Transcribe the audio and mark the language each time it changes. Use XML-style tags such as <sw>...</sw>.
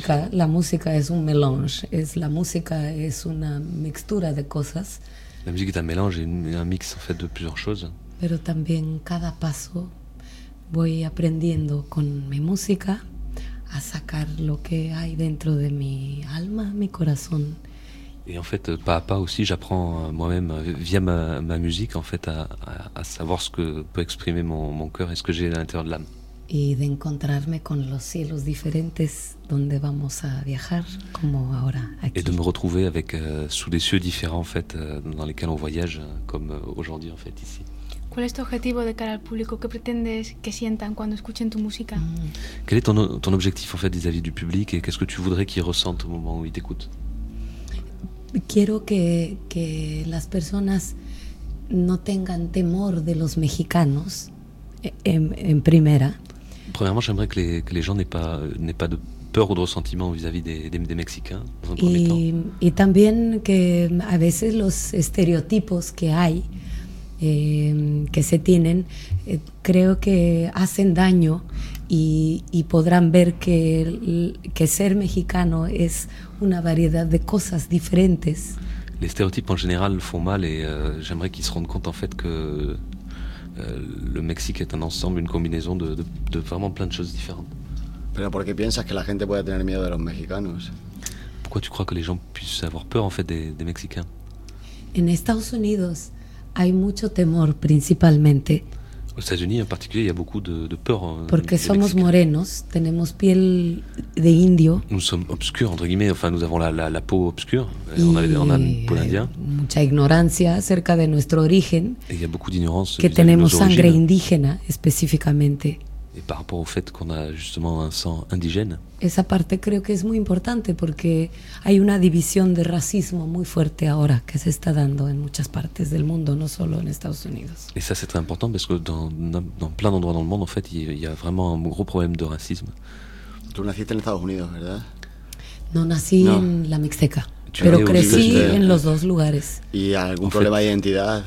<es>La música es un mélange, la música es una mixtura de cosas.</es> <fr>La musique est un mélange et un mix en fait de plusieurs choses.</fr> <es>Pero también cada paso voy aprendiendo con mi música a sacar lo que hay dentro de mi alma, mi corazón.</es> <fr>Et en fait, pas à pas aussi, j'apprends moi-même via ma musique en fait à savoir ce que peut exprimer mon cœur et ce que j'ai à l'intérieur de l'âme.</fr> <es>Y de encontrarme con los cielos diferentes donde vamos a viajar como ahora aquí.</es> <fr>Et de me retrouver avec sous des cieux différents en fait dans lesquels on voyage comme aujourd'hui en fait ici.</fr> <es>¿Cuál es tu objetivo de cara al público? ¿Qué pretendes que sientan cuando escuchen tu música?</es> <fr>Quel est ton objectif en fait vis-à-vis du public, et qu'est-ce que tu voudrais qu'ils ressentent au moment où ils t'écoutent?</fr> <es>Quiero que las personas no tengan temor de los mexicanos en primera.</es> <fr>Premièrement, j'aimerais que les gens n'aient pas de peur ou de ressentiment vis-à-vis des Mexicains, dans un premier temps.</fr> <es>Et también que a veces los estereotipos que hay, que se tienen, creo que hacen daño, y podrán ver que ser mexicano es una variedad de cosas diferentes.</es> <fr>Les stéréotypes en général font mal, et j'aimerais qu'ils se rendent compte en fait que le Mexique est un ensemble, une combinaison de vraiment plein de choses différentes.</fr> <es>Pero ¿por qué piensas que la gente puede tener miedo de los mexicanos?</es> <fr>Pourquoi tu crois que les gens puissent avoir peur en fait des Mexicains?</fr> <es>En Estados Unidos Hay mucho temor, principalmente.</es> <fr>Aux États-Unis en particulier, il y a beaucoup de peur.</fr> <es>Porque somos morenos, tenemos piel de indio.</es> <fr>Nous sommes obscurs, entre guillemets, enfin nous avons la peau obscure. On a une peau indienne.</fr> <es>Mucha ignorancia acerca de nuestro origen.</es> <fr>Et il y a beaucoup d'ignorance.</fr> <es>Que tenemos sangre indígena, específicamente.</es> <fr>Et par rapport au fait qu'on a justement un sang indigène.</fr> <es>Esa parte creo que es muy importante porque hay una división de racismo muy fuerte ahora que se está dando en muchas partes del mundo, no solo en Estados Unidos.</es> <fr>Et ça c'est très important parce que dans plein d'endroits dans le monde en fait il y a vraiment un gros problème de racisme.</fr> <es>Tu naciste en Estados Unidos, ¿verdad? No, nací no. En la Mixteca. Pero crecí en los dos lugares. Y algún problema de identidad.</es>